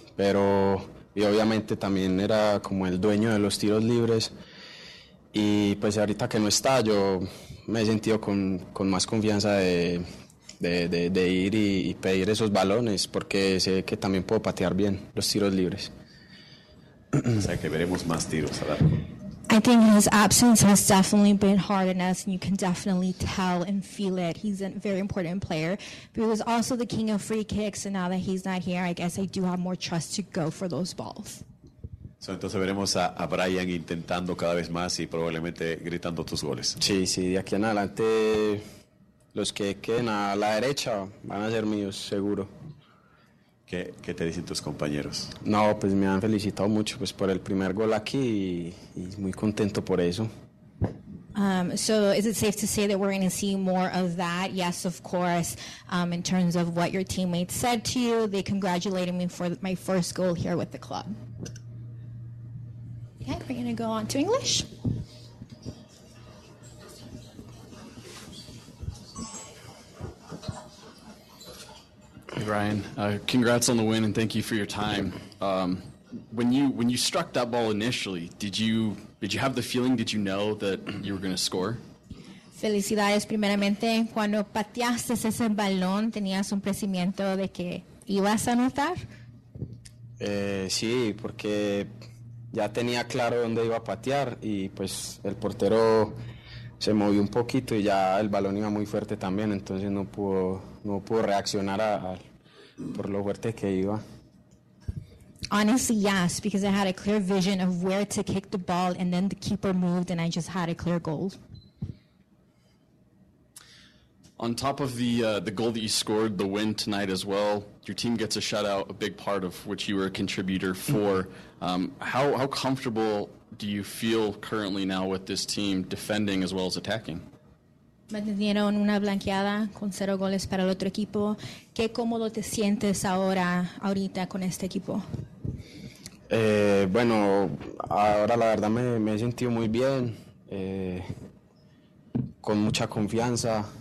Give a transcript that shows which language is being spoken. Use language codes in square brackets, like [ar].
[es] Pero y obviamente también era como el dueño de los tiros libres. Y pues ahorita que no está, yo me he sentido con más confianza de ir y pedir esos balones, porque sé que también puedo patear bien los tiros libres. O sea que veremos más tiros a dar. [en] I think his absence has definitely been hard on us, and you can definitely tell and feel it. He's a very important player. But he was also the king of free kicks, and now that he's not here, I guess I do have more trust to go for those balls. [es] So, entonces veremos a Brian intentando cada vez más y probablemente gritando tus goles. Sí, sí, de aquí en adelante, los que queden a la derecha van a ser míos, seguro. ¿Qué te dicen tus compañeros? No, pues me han felicitado mucho pues por el primer gol aquí y muy contento por eso. [en] So is it safe to say that we're going to see more of that? Yes, of course. In terms of what your teammates said to you, they congratulated me for my first goal here with the club. Okay, we're going to go on to English. Mm. Hey, Ryan. Congrats on the win, and thank you for your time. When you struck that ball initially, did you have the feeling, did you know that you were going to score? [es] Felicidades, primeramente. Cuando pateaste ese balón, ¿tenías un presentimiento de que ibas a anotar? Sí, porque ya tenía claro dónde iba a patear y pues el portero se movió un poquito y ya el balón iba muy fuerte también, entonces no pudo reaccionar a por lo fuerte que iba. [en] Honestly, yes, because I had a clear vision of where to kick the ball and then the keeper moved and I just had a clear goal. On top of the goal that you scored, the win tonight as well, your team gets a shutout, a big part of which you were a contributor for. How comfortable do you feel currently now with this team defending as well as attacking? [es] Me dieron una blanqueada con cero goles para el otro equipo. ¿Qué cómodo te sientes ahora, ahorita, con este equipo? Bueno, ahora la verdad me he sentido muy bien, con mucha confianza.